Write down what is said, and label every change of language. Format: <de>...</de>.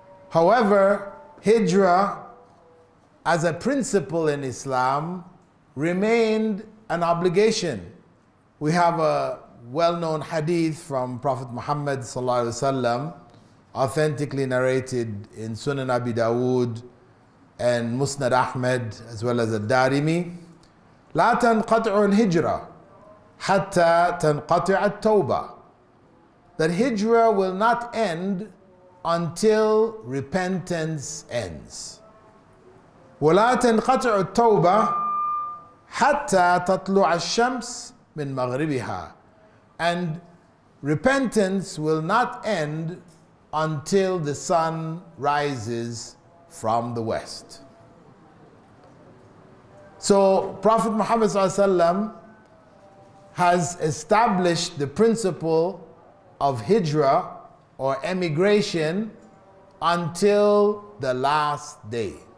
<en>However, hijra as a principle in Islam remained an obligation. We have a well-known hadith from Prophet Muhammad sallallahu alaihi wasallam, authentically narrated in Sunan Abi Dawood and Musnad Ahmed as well as Ad-Darimi.</en> <ar>لا تنقطع الهجرة حتى تنقطع التوبة.</ar> <en>That hijra will not end until repentance ends.</en> <ar>ولا تنقطع التوبة حتى تطلع الشمس من مغربها.</ar> <en>And repentance will not end until the sun rises from the west. So Prophet Muhammad ﷺ has established the principle of hijra or emigration until the last day.</en>